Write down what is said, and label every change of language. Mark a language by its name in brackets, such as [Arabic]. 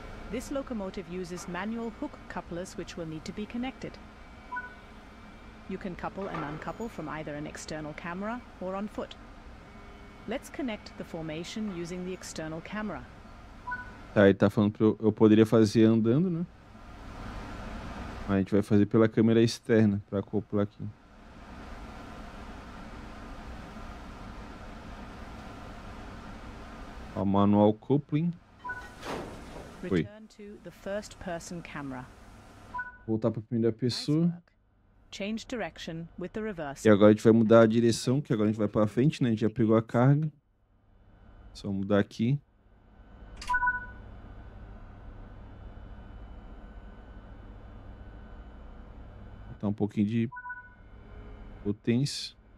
[English] This locomotive uses manual hook couplers which will need to be connected. You can couple and uncouple from either an external camera or on foot. Let's connect the formation using the external camera. [Portuguese] Tá, ele tá falando que eu poderia fazer andando, né? Mas a gente vai fazer pela câmera externa para acoplar aqui. [English] A manual coupling. [Portuguese] Foi. [English] Return to the first person camera. [Portuguese] Voltar para a primeira pessoa. [English] Change direction with the reverse. [Portuguese] E agora a gente vai mudar a direção, que agora a gente vai para frente, né? A gente já pegou a carga. Só mudar aqui. Tá um pouquinho de potência.